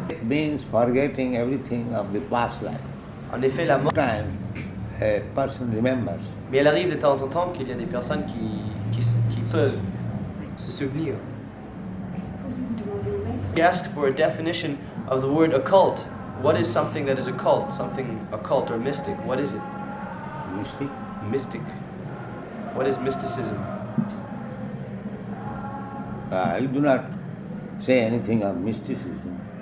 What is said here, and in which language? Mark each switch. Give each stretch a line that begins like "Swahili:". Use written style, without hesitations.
English: It means forgetting everything of the past life.
French: En effet, la mort...
English: Sometimes a person remembers.
French: Mais il arrive de temps en temps qu'il y a des personnes qui peuvent se souvenir.
English: He asked for a definition of the word occult. What is something that is occult? Something occult or mystic? What is it? Mystic? Mystic. What is mysticism? I do not say anything of mysticism.